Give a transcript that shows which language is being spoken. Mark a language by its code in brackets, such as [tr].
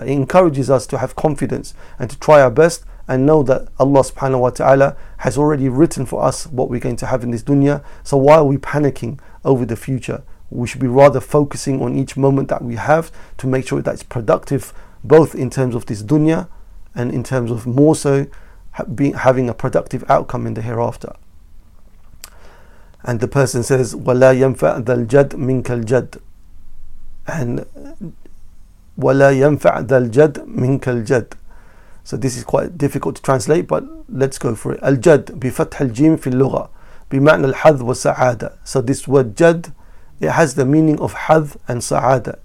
[en] It encourages us to have confidence and to try our best and know that Allah subhanahu wa ta'ala has already written for us what we're going to have in this dunya. So why are we panicking over the future? We should be rather focusing on each moment that we have to make sure that it's productive, both in terms of this dunya and in terms of more so having a productive outcome in the hereafter. And the person says, [ar] وَلَا يَنْفَعْ ذَا الْجَدْ مِنْكَ الْجَدْ. And وَلَا يَنْفَعْ ذَا الْجَدْ مِنْكَ الْجَدْ. [en] So this is quite difficult to translate, but let's go for it. [ar] الْجَدْ بِفَتْحَ الْجِيمِ فِي اللُّغَةِ بِمَعْنَى الْحَذْ وَالسَّعَادَةِ. [en] So this word جَدْ, it has the meaning of hadh and sa'ada.